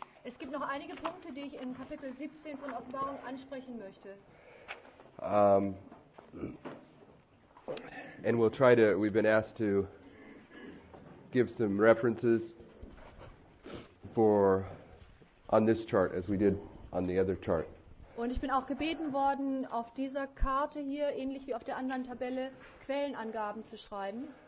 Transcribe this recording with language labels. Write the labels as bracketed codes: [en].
[de] Es gibt noch einige Punkte, die ich in Kapitel 17 von Offenbarung ansprechen möchte. [en] And we'll try to, we've been asked to give some references for on this chart as we did on the other chart. [de] Und ich bin auch gebeten worden, auf dieser Karte hier, ähnlich wie auf der anderen Tabelle, Quellenangaben zu schreiben.